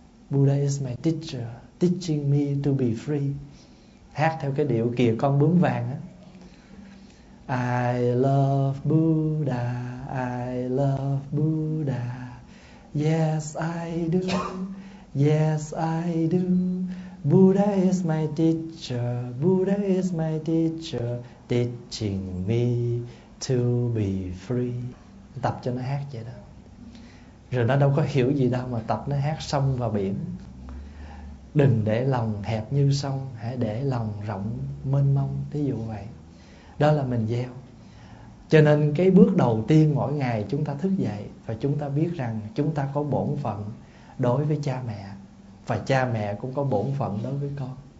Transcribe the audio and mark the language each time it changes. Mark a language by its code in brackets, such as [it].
[en] Buddha is my teacher, teaching me to be free. [vi] Hát theo cái điệu kìa con bướm vàng á. [en] I love Buddha, I love Buddha. Yes, I do. Yes, I do. Buddha is my teacher. Buddha is my teacher, teaching me to be free. [vi] Tập cho nó hát vậy đó. Rồi nó đâu có hiểu gì đâu mà tập nó hát sông và biển. Đừng để lòng hẹp như sông, hãy để lòng rộng mênh mông. Ví dụ vậy. Đó là mình gieo. Cho nên cái bước đầu tiên mỗi ngày chúng ta thức dậy và chúng ta biết rằng chúng ta có bổn phận đối với cha mẹ, và cha mẹ cũng có bổn phận đối với con.